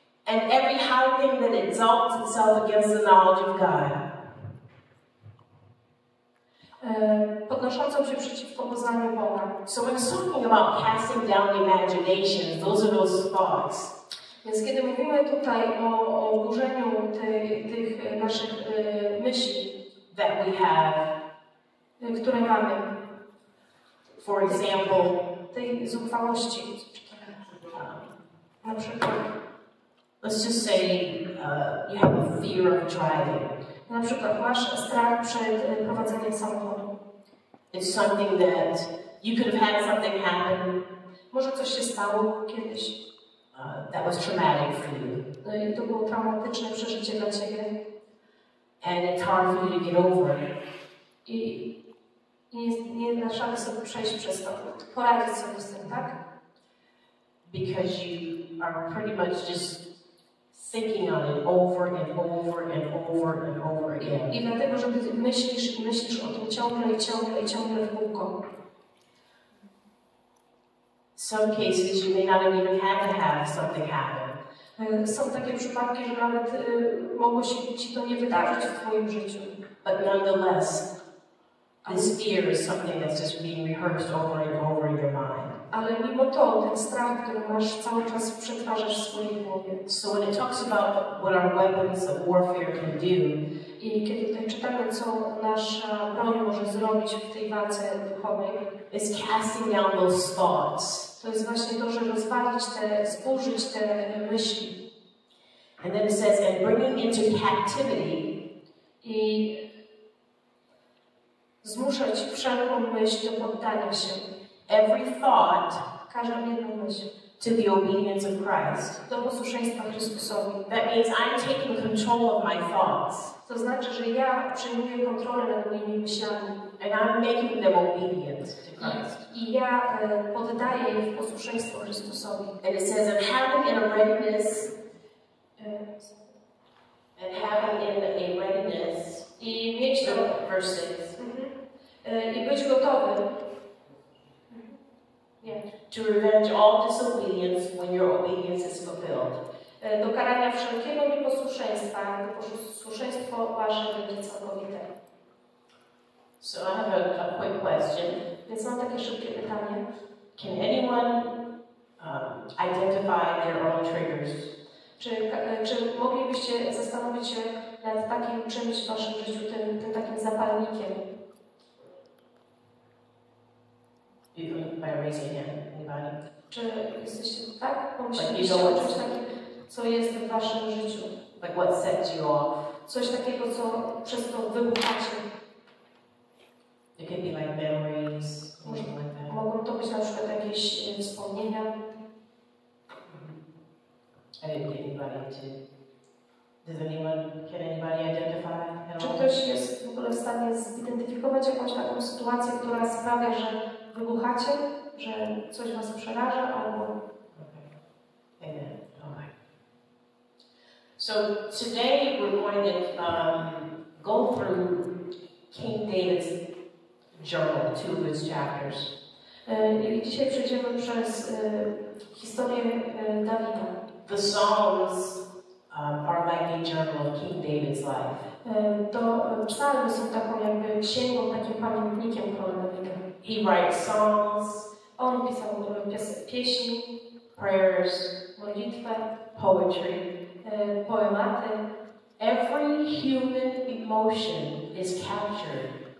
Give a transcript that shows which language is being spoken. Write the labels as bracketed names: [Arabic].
[English] and every high thing that exalts itself against the knowledge of God. [Polish] Podnoszącą się przeciwko poznaniu Boga. [English] So when we're talking about casting down imaginations, those are those thoughts. [Polish] Więc kiedy mówimy tutaj o burzeniu tych naszych myśli, [English] that we have, [Polish] które mamy, [English] for example, [Polish] tej zuchwałości, na przykład, [English] let's just say you have a fear of driving. [Polish] Na przykład masz strach przed prowadzeniem samochodu. [English] It's something that you could have had something happen. [Polish] Może coś się stało kiedyś. [English] That was traumatic for you. [Polish] No i to było traumatyczne przeżycie dla ciebie. [English] And it's hard for you to get over. [Polish] I nie da szansy sobie przejść przez to. Poradzić sobie z tym, tak? [English] Because you are pretty much just thinking on it over and over and over and over again. [Polish] I dlatego, że ty myślisz o tym ciągle i ciągle i ciągle w kółko. [English] Some cases you may not even have to have something happen. [Polish] Są takie przypadki, że nawet mogło się ci to nie wydarzyć w twoim życiu. [English] But nonetheless, this fear is something that's just being rehearsed over and over in your mind. [Polish] Ale mimo to, ten strach, który masz, cały czas przetwarzasz w swojej głowie. [English] So when it talks about what our weapons of warfare can do, [Polish] i kiedy tutaj czytamy, co nasza broń może zrobić w tej walce duchowej, [English] is casting down those thoughts. [Polish] To jest właśnie to, że rozwalić te, zburzyć te myśli. [English] And then it says, and bringing into captivity, [Polish] i zmuszać wszelką myśl do poddania się. [English] Every thought, [Polish] każdą jedną myśl, [English] to the obedience of Christ. [Polish] Do posłuszeństwa Chrystusowi. [English] That means I'm taking control of my thoughts. [Polish] To znaczy, że ja przejmuję kontrolę nad moimi myślami. [English] And I'm making them obedient to Christ. [Polish] I ja poddaję je w posłuszeństwo Chrystusowi. [English] And it says, and having in a readiness, and having in a readiness, [Polish] i mieć to [English] verses, [Polish] i być gotowym. [English] To revenge all disobedience when your obedience is fulfilled. [Polish] Do karania wszelkiego nieposłuszeństwa, gdy posłuszeństwo wasze będzie całkowite. [English] So I have a quick question. [Polish] Więc mam takie szybkie pytanie. [English] Can anyone identify their own triggers? [Polish] Czy moglibyście zastanowić się nad takim czymś w waszym życiu, tym takim zapalnikiem? [English] By raising hand, anybody? [Polish] Czy jesteście tak pomyśleliście o czymś takim, co jest w waszym życiu? [English] Like what sets you off? [Polish] Coś takiego, co przez to wybuchacie. [English] It can be like memories, something like that. [Polish] Mogą to być na przykład jakieś wspomnienia. [English] I didn't get anybody to. Does anyone, can anybody identify at all? [Polish] Czy ktoś jest w ogóle w stanie zidentyfikować jakąś taką sytuację, która sprawia, że wybuchacie, że coś was przeraża, albo... [English] Okay. Amen. All right. So today we're going to go through King David's journal, two of his chapters. [Polish] I dzisiaj przejdziemy przez historię Dawida. [English] The Psalms are like a journal of King David's life. [Polish] To psalmy są taką jakby księgą, takim pamiętnikiem króla Dawida. [English] He writes songs, [Polish] on pisał pieśni, [English] prayers, [Polish] modlitwę, [English] poetry, [Polish] poematy. [English] Every human emotion is captured.